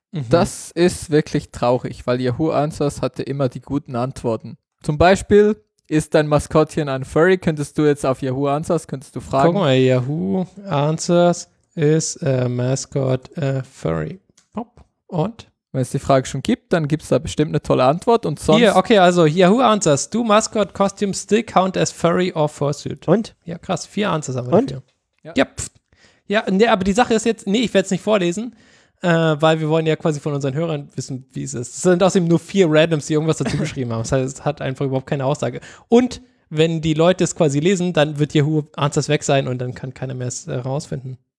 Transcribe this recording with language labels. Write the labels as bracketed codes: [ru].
[de] Das ist wirklich traurig, weil Yahoo Answers hatte immer die guten Antworten. Zum Beispiel, ist dein Maskottchen ein Furry? Könntest du jetzt auf Yahoo Answers, könntest du fragen? Guck mal, Yahoo Answers ist Mascot Furry. Pop. Und? Wenn es die Frage schon gibt, dann gibt es da bestimmt eine tolle Antwort. Und sonst hier, okay, also [en] Yahoo Answers. Do Mascot Costumes still count as Furry or Fursuit? [de] Und? Ja, krass, 4 Answers haben wir und? Dafür. Ja. Ja, Ja, nee, aber die Sache ist jetzt, nee, ich werde es nicht vorlesen, weil wir wollen ja quasi von unseren Hörern wissen, wie es ist. Es sind außerdem nur 4 Randoms, die irgendwas dazu geschrieben haben. Das heißt, es hat einfach überhaupt keine Aussage. Und wenn die Leute es quasi lesen, dann wird Yahoo Answers weg sein und dann kann keiner mehr es rausfinden.